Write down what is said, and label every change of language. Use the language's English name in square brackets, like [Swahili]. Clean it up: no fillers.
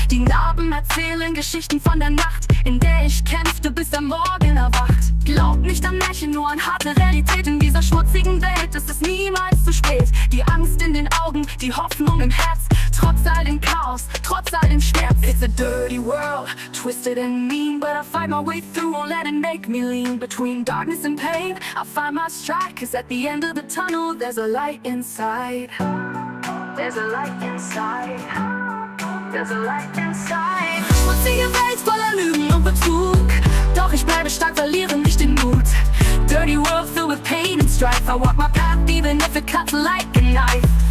[German] Die Narben erzählen Geschichten von der Nacht, in der ich kämpfte, bis der Morgen erwacht. Glaub nicht an Märchen, nur an harte Realität. In dieser schmutzigen Welt ist es niemals zu spät. Die Angst in den Augen, die Hoffnung im Herz. Trotz all dem Chaos, trotz all dem Schmerz. [English] It's a dirty world, twisted and mean. But I fight my way through, won't let it make me lean. Between darkness and pain, I find my stride. Cause at the end of the tunnel, there's a light inside. There's a light inside. There's a light inside. [German] Schmutzige Welt voller Lügen und Betrug. Doch ich bleibe stark, verliere nicht den Mut. [English] Dirty world filled with pain and strife. I walk my path even if it cuts like a knife.